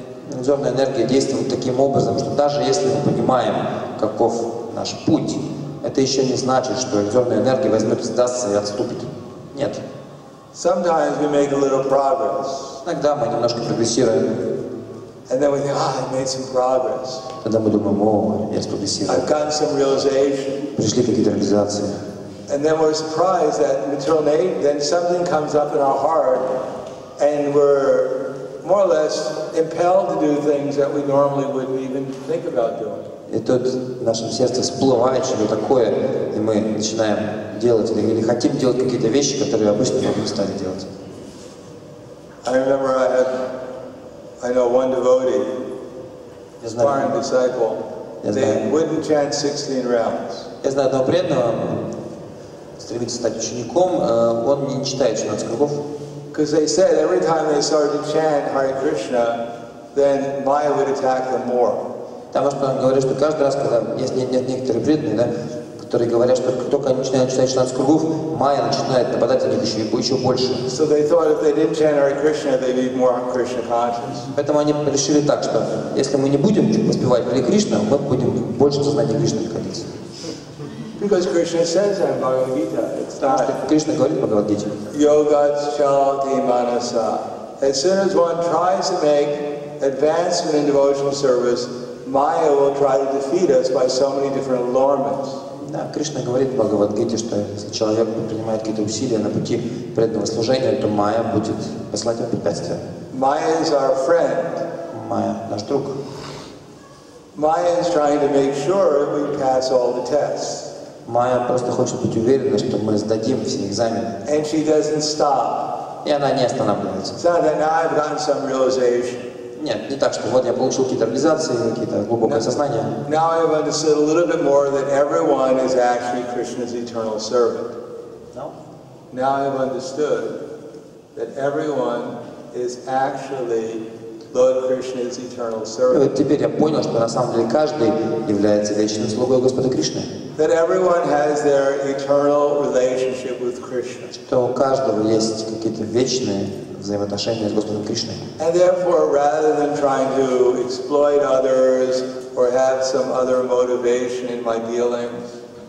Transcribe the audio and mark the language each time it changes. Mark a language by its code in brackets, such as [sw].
[ru] Иллюзорная энергия действует таким образом, что даже если мы понимаем, каков наш путь, это еще не значит, что иллюзорная энергия возьмет, сдастся и отступит. Нет. [en] Sometimes we make a little progress. [ru] Иногда мы немножко прогрессируем. [en] And then we think, I made some progress. [ru] Тогда мы думаем, о, я спасибо. [en] I've gotten some realization. [ru] Пришли какие-то реализации. [en] And then we're surprised that material nature, then something comes up in our heart, and we're more or less impelled to do things that we normally wouldn't even think about doing. [ru] И тут в нашем сердце всплывает что-то такое, и мы начинаем делать или хотим делать какие-то вещи, которые обычно мы не стали делать. [en] I remember I know one devotee, a foreign disciple, they wouldn't chant 16 rounds. [ru] Я знаю одного преданного, стремится стать учеником, он не читает 16 кругов. [en] Because they said every time they started to chant Hare Krishna, then Maya would attack them more. [ru] Потому что он говорит, что каждый раз, когда есть некоторые преданные, да, которые говорят, что только они начинают читать 16 кругов, майя начинает нападать на них еще больше. [en] So they thought if they didn't chant Hare Krishna, they'd be more Krishna conscious. [ru] Поэтому они решили так, что если мы не будем воспевать Хари Кришна, мы будем больше в сознании Кришны находиться. [en] Because Krishna says in Bhagavad Gita, it's not. [ru] Кришна говорит в Бхагавад Гите. [sa] Йога чалати манаса. [en] As soon as one tries to make advancement in devotional service, Maya will try to defeat us by so many different allurements. [ru] Да, Кришна говорит в Бхагавад Гите, что если человек предпринимает какие-то усилия на пути преданного служения, то Майя будет послать ему препятствия. [en] Maya is our friend. [ru] Майя наш друг. [en] Maya is trying to make sure we pass all the tests. [ru] Майя просто хочет быть уверена, что мы сдадим все экзамены. [en] And she doesn't stop. [ru] И она не останавливается. [en] So that now I've gotten some realization. [ru] Нет, не так, что вот я получил какие-то реализации, какие-то глубокое сознание. [en] Now I've understood a little bit more that everyone is actually Krishna's eternal servant. No. Now I've understood that everyone is actually Lord Krishna's eternal servant. [ru] И вот теперь я понял, что на самом деле каждый является вечным слугой Господа Кришны. [en] That everyone has their eternal relationship with Krishna. [ru] Что у каждого есть какие-то вечные взаимоотношения с Господом Кришной. [en] And therefore, rather than trying to exploit others or have some other motivation in my dealings,